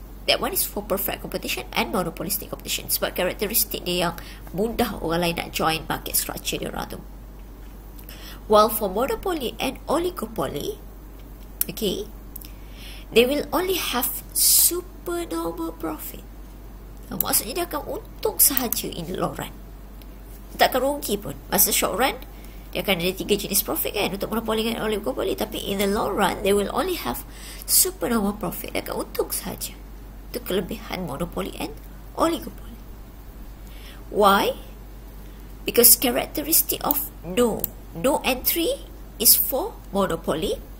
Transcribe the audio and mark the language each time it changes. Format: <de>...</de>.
<en>That one is for perfect competition and monopolistic competition.</en> <ms>Sebab karakteristik dia yang mudah orang lain nak join market structure diorang tu.</ms> <en>While for monopoly and oligopoly, okay, they will only have super normal profit.</en> <ms>Maksudnya dia akan untung sahaja</ms> <en>in the long run.</en> <ms>Tak akan rugi pun. Masa short run, dia akan ada tiga jenis profit kan, untuk monopoli dan oligopoli.</ms> <en>Tapi in the long run, they will only have super normal profit.</en> <ms>Dia akan untung sahaja. Itu kelebihan monopoli and oligopoli. Why?</ms> <en>Because characteristic of no entry is for monopoli.</en>